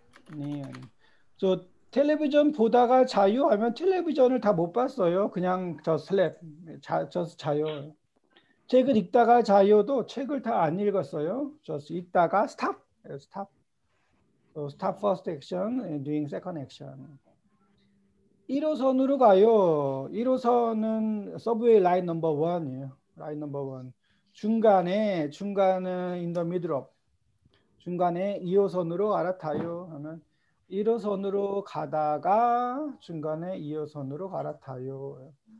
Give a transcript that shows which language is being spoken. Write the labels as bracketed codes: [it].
[ko] 아니에요. 저 텔레비전 보다가 자요 하면 텔레비전을 다 못 봤어요. 그냥 저 슬랩 자 저 자요. 책을 읽다가 자요도 책을 다 안 읽었어요. 저 읽다가 [en] stop. stop. So stop first action and doing second action. [ko] 1호선으로 가요. 1호선은 [en] 서브웨이 라인 넘버 1 [ko] 이에요. [en] 라인 넘버 1. [ko] 중간에 중간은 [en] in the middle of. [ko] 중간에 2호선으로 갈아타요 하면 1호선으로 가다가 중간에 2호선으로 갈아타요.